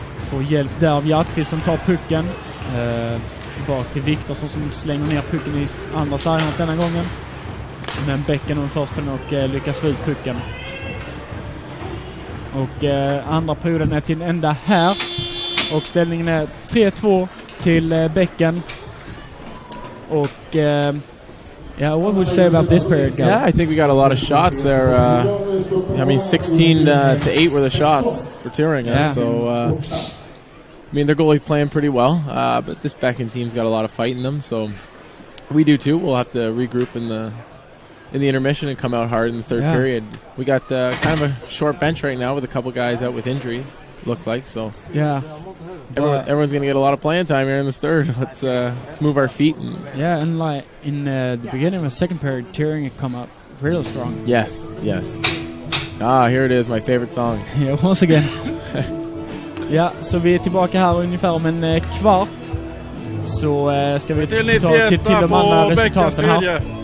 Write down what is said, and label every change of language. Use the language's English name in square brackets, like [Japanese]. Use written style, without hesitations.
[Swedish] Får hjälp där av Hjärtqvist som tar pucken. Bak till Viktor som slänger ner pucken i andra sargen denna gången. Men bäcken har först på den och lyckas få ut pucken. Och andra perioden är till en enda här. Och ställningen är 3-2 till bäcken. [English] Och yeah, what would you say about this period, guys? Yeah, I think we got a lot of shots there. I mean, 16-8 were the shots for Turing. Yeah. So, I mean, their goalie's playing pretty well. But this Becken team's got a lot of fight in them. So we do too. We'll have to regroup in the intermission and come out hard in the third period. We got kind of a short bench right now with a couple guys out with injuries, looks like. So yeah, everyone's going to get a lot of playing time here in this third. Let's move our feet. And yeah, and like in the beginning of the second period, Tyring had come up real strong. Yes, yes. Ah, here it is, my favorite song. Yeah, once again. [Swedish] Ja, så vi är tillbaka här ungefär om en kvart. Så ska vi ta till de andra resultaten här.